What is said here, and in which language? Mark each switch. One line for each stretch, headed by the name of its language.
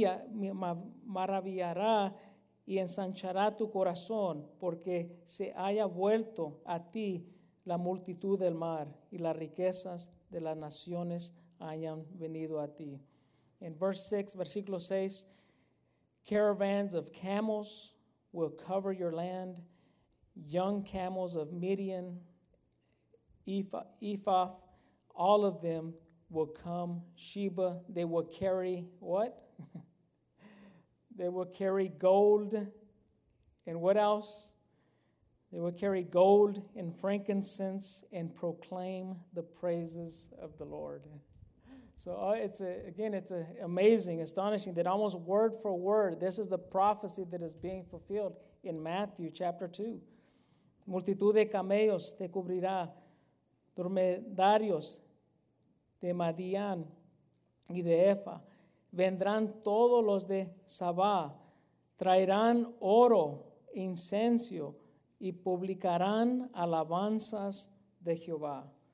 Spanish: Se maravillará. Y ensanchará tu corazón, porque se haya vuelto a ti la multitud del mar, y las riquezas de las naciones hayan venido a ti.
English: In verse 6,
Spanish: versículo 6,
English: caravans of camels will cover your land, young camels of Midian, Ephah, all of them will come, Sheba, they will carry what? They will carry gold and what else? They will carry gold and frankincense and proclaim the praises of the Lord. So it's amazing, astonishing that almost word for word, this is the prophecy that is being fulfilled in Matthew chapter 2.
Spanish: multitud de camellos te cubrirá, dromedarios de Madián y de Efa. Vendrán todos los de Sabá, traerán oro, incienso y publicarán alabanzas de Jehová.